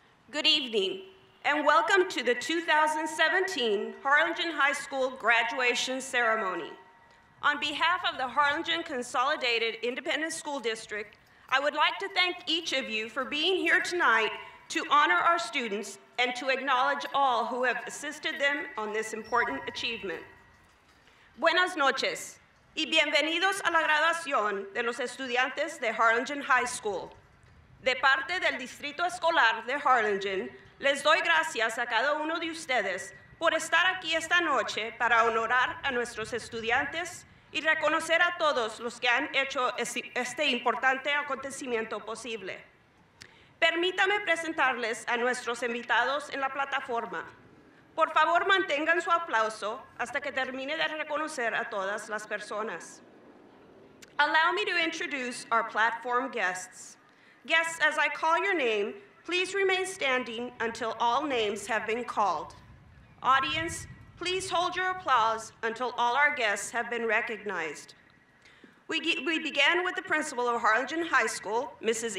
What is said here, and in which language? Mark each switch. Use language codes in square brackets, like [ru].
[en] Good evening, and welcome to the 2017 Harlingen High School graduation ceremony. On behalf of the Harlingen Consolidated Independent School District, I would like to thank each of you for being here tonight to honor our students and to acknowledge all who have assisted them on this important achievement. [es] Buenas noches, y bienvenidos a la graduación de los estudiantes de Harlingen High School. De parte del Distrito Escolar de Harlingen, les doy gracias a cada uno de ustedes por estar aquí esta noche para honorar a nuestros estudiantes y reconocer a todos los que han hecho este importante acontecimiento posible. Permítame presentarles a nuestros invitados en la plataforma. Por favor, mantengan su aplauso hasta que termine de reconocer a todas las personas. [en] Allow me to introduce our platform guests. Guests, as I call your name, please remain standing until all names have been called. Audience, please hold your applause until all our guests have been recognized. We began with the principal of Harlingen High School, Mrs.